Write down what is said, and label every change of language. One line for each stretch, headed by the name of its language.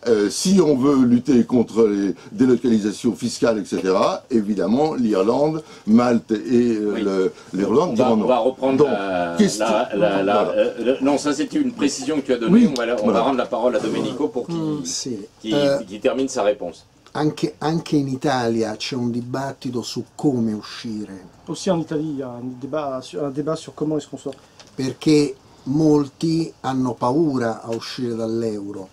French: Si on veut lutter contre les délocalisations fiscales, etc., évidemment, l'Irlande, Malte et l'Irlande diront non. On va reprendre ça c'était une précision que tu as donnée. Oui. On va rendre la parole à Domenico pour qu'il termine sa réponse.
Italian: Anche in Italia c'è un dibattito su come uscire.
French: Aussi en Italie, il y a un débat sur comment est-ce qu'on sort.
Italian: Perché molti hanno paura a uscire dall'euro.